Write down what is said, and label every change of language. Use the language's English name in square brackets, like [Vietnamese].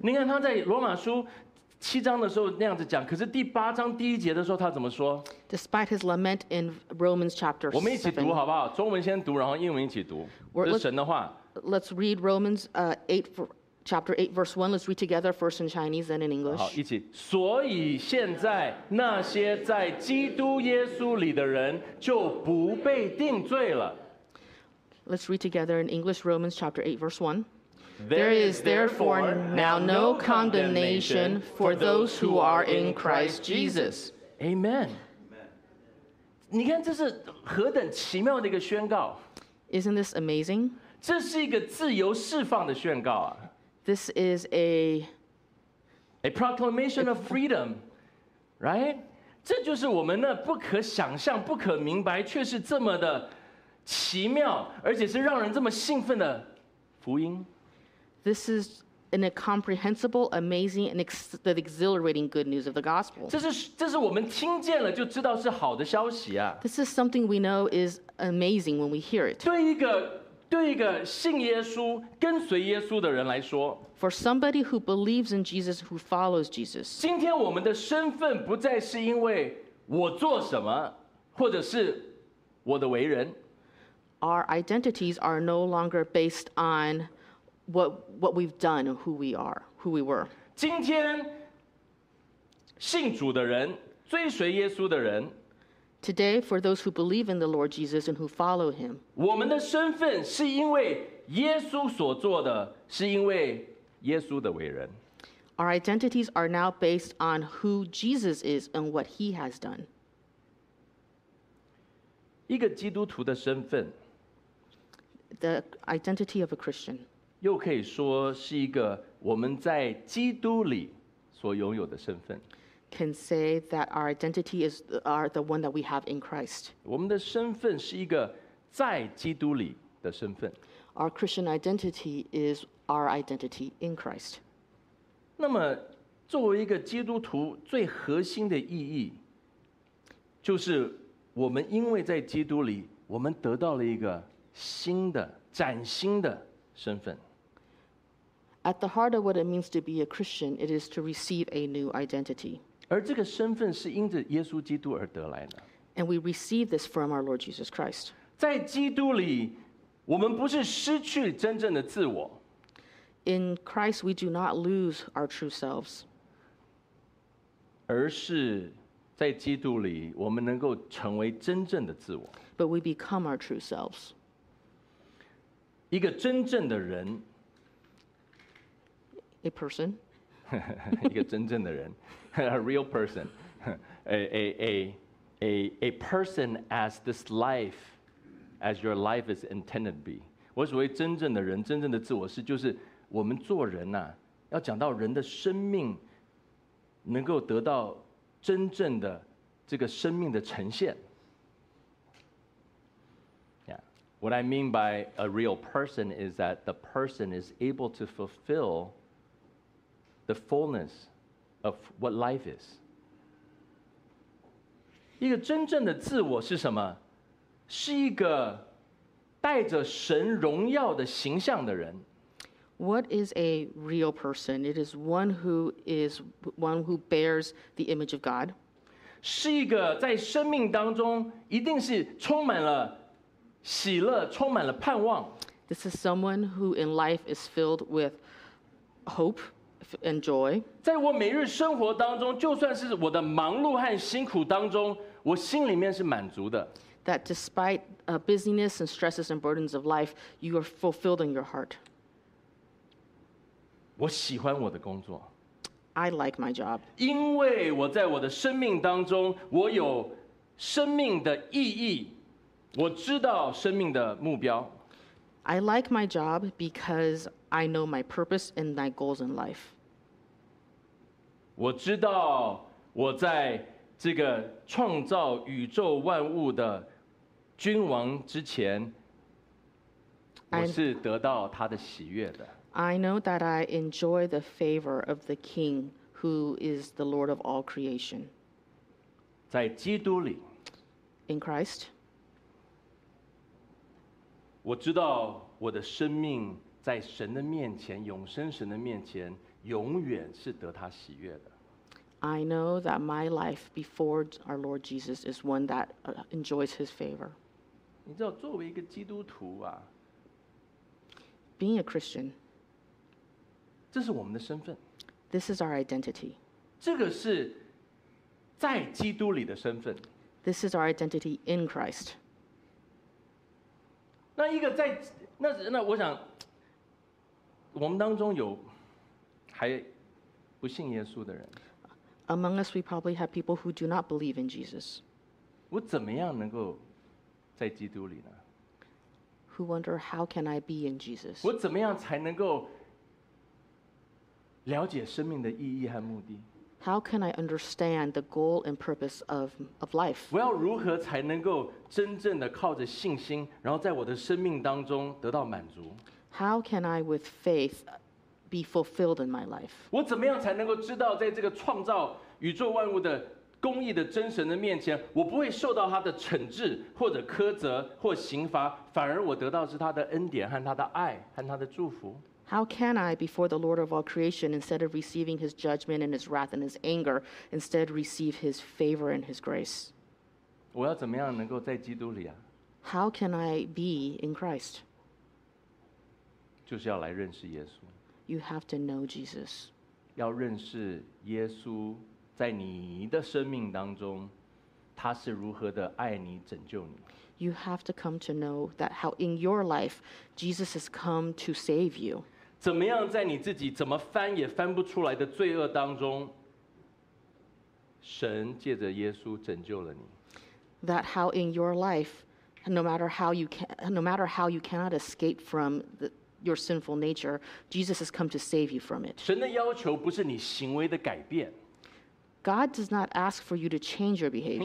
[Chinese] 你看他在罗马书七章的时候那样子讲，可是第八章第一节的时候他怎么说 [English] ？Despite his lament in Romans chapter 7, [Chinese] 我们一起读好不好？中文先读，然后英文一起读。这是神的话。 [English] Let's read Romans 8, chapter 8, verse 1. Let's read together first in Chinese and in English. [Chinese] 好，一起。所以现在那些在基督耶稣里的人就不被定罪了。 [English] Let's read together in English, Romans chapter 8, verse 1. There is therefore now no condemnation for those who are in Christ Jesus. Amen. [Chinese] 你看这是何等奇妙的一个宣告。 [English] Isn't this amazing? [Chinese] 这是一个自由释放的宣告啊。 [English] This is a proclamation of freedom, right? [Chinese] 这就是我们那不可想象、不可明白，却是这么的奇妙，而且是让人这么兴奋的福音。 [English] This is an incomprehensible, amazing, and exhilarating good news of the gospel. [Chinese] 这是我们听见了就知道是好的消息啊。 [English] This is something we know is amazing when we hear it. [Chinese] 对一个信耶稣、跟随耶稣的人来说 [English] ，For somebody who believes in Jesus, who follows Jesus, [Chinese] 今天我们的身份不再是因为我做什么，或者是我的为人。 [English] Our identities are no longer based on what we've done, who we are, who we were. [Chinese] 今天信主的人，追随耶稣的人 [English] ，Today for those who believe in the Lord Jesus and who follow Him, [Chinese] 我们的身份是因为耶稣所做的，是因为耶稣的为人。 [English] Our identities are now based on who Jesus is and what He has done. [Chinese] 一个基督徒的身份。 [English] The identity of a Christian. [Chinese] 又可以说是一个我们在基督里所拥有的身份。 [English] Can say that our identity is the one that we have in Christ. [Chinese] 我们的身份是一个在基督里的身份。 [English] Our Christian identity is our identity in Christ. [Chinese] 那么，作为一个基督徒，最核心的意义，就是我们因为在基督里，我们得到了一个新的、崭新的身份。 [English] At the heart of what it means to be a Christian, it is to receive a new identity. [Chinese] 而这个身份是因着耶稣基督而得来的。 [English] And we receive this from our Lord Jesus Christ. [Chinese] 在基督里，我们不是失去真正的自我。 [English] In Christ, we do not lose our true selves. [Chinese] 而是在基督里，我们能够成为真正的自我。 [English] But we become our true selves. [Chinese] 一个真正的人 [English] ，a person， [Chinese] 一个真正的人， [English] a real person， a person as this life， as your life is intended to be。 [Chinese] 我所谓真正的人，真正的自我是，就是我们做人呐、啊，要讲到人的生命能够得到真正的这个生命的呈现。 [English] What I mean by a real person is that the person is able to fulfill the fullness of what life is. [Chinese] 一个真正的自我是什么？是一个带着神荣耀的形象的人。 [English] What is a real person? It is one who is one who bears the image of God. [Chinese] 是一个在生命当中一定是充满了喜乐，充满了盼望。 [English] This is someone who in life is filled with hope, enjoy. [Chinese] 在我每日生活当中，就算是我的忙碌和辛苦当中，我心里面是满足的。 [English] That despite busyness and stresses and burdens of life, you are fulfilled in your heart. [Chinese] 我喜欢我的工作。 [English] I like my job. [Chinese] 因为我在我的生命当中，我有生命的意义，我知道生命的目标。 [English] I like my job because I know my purpose and my goals in life. [Chinese] 我知道我在这个创造宇宙万物的君王之前，我是得到他的喜悦的。 [English] I know that I enjoy the favor of the King who is the Lord of all creation. [Chinese] 在基督里。 [English] In Christ. [Chinese] 我知道我的生命在神的面前，永生神的面前，永远是得他喜悦的。 [English] I know that my life before our Lord Jesus is one that enjoys his favor. [Chinese] 你知道，作为一个基督徒啊， [English] Being a Christian, [Chinese] 这是我们的身份。 [English] This is our identity. [Chinese] 这个是在基督里的身份。 [English] This is our identity in Christ. [Chinese] 那一个在那我想我们当中有还不信耶稣的人。 [English] Among us, we probably have people who do not believe in Jesus. [Chinese] 我怎么样能够在基督里呢？ [English] Who wonder how can I be in Jesus? [Chinese] 我怎么样才能够了解生命的意义和目的？ [English] How can I understand the goal and purpose of life? [Chinese] 我要如何才能够真正的靠着信心，然后在我的生命当中得到满足？ [English] How can I, with faith, be fulfilled in my life? [Chinese] 我怎么样才能够知道，在这个创造宇宙万物的公义的真神的面前，我不会受到他的惩治或者苛责或刑罚，反而我得到是他的恩典和他的爱和他的祝福？ [English] How can I, before the Lord of all creation, instead of receiving his judgment and his wrath and his anger, instead receive his favor and his grace? [Chinese] 我要怎么样能够在基督里啊？ [English] How can I be in Christ? [Chinese] 就是要来认识耶稣。 [English] You have to know Jesus. [Chinese] 要认识耶稣在你的生命当中，他是如何的爱你、拯救你。 [English] You have to come to know that how in your life Jesus has come to save you. [Chinese] 怎么样在你自己怎么翻也翻不出来的罪恶当中，神借着耶稣拯救了你。 [English] That how in your life, no matter how you cannot escape from your sinful nature, Jesus has come to save you from it. [Chinese] 神的要求不是你行为的改变。 [English] God does not ask for you to change your behavior.